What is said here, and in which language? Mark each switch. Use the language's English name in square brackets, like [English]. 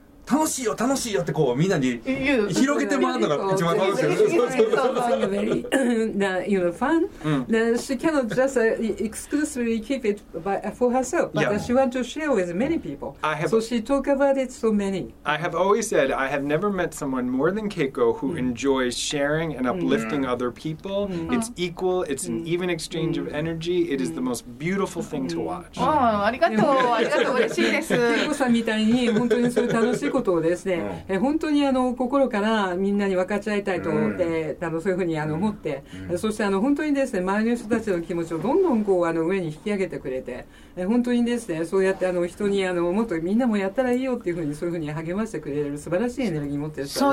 [Japanese] 楽しいよ楽しいよってこうみんなに広げてもらうのが一番楽しいですよね。Fun. [English] She cannot just exclusively keep it for herself, but she wants to share with many people. So she talks about it so many. I have always said I have never met someone more than Keiko who enjoys sharing and uplifting other people. It's equal. It's an even exchange of energy. It is the most beautiful thing to watch. [Japanese] ありがとう、ありがとう、嬉しいです。 Keiko さんみたいに本当にそれ楽しい。ことをですね、本当にあの心からみんなに分かち合いたいと思って、あのそういうふうにあの思って、そしてあの本当にですね、周りの人たちの気持ちをどんどんこうあの上に引き上げてくれて、本当にですね、そうやってあの人にあのもっとみんなもやったらいいよっていうふうにそういうふうに励ましてくれる素晴らしいエネルギー持ってる人